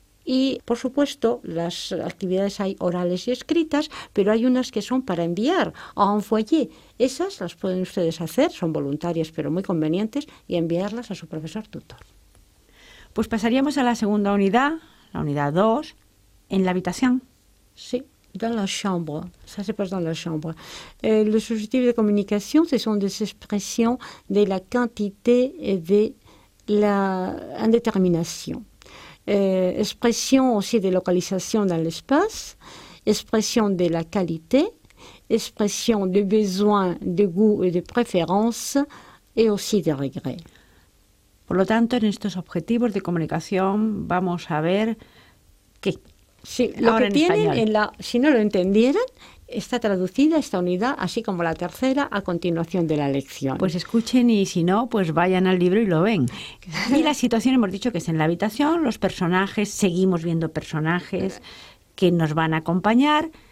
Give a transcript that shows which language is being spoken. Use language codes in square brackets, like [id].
[es] Y, por supuesto, las actividades hay orales y escritas, pero hay unas que son para enviar a un foyer. Esas las pueden ustedes hacer, son voluntarias pero muy convenientes, y enviarlas a su profesor tutor. Pues pasaríamos a la segunda unidad, la unidad 2, en la habitación. [fr] Sí, dans la chambre. Ça se passe dans la chambre. Le sujet de communication, ce sont des expressions de la quantité et de la indétermination. Expression aussi de localisation dans l'espace, expression de la qualité, expression de besoin, de goût et de préférence, et aussi de regret. [es] Por lo tanto, en estos objetivos de comunicación vamos a ver qué. Sí, lo que tienen en la, si no lo entendieran, está traducida esta unidad, así como la tercera, a continuación de la lección. Pues escuchen y si no, pues vayan al libro y lo ven. Y la situación, hemos dicho que es en la habitación, los personajes, seguimos viendo personajes que nos van a acompañar.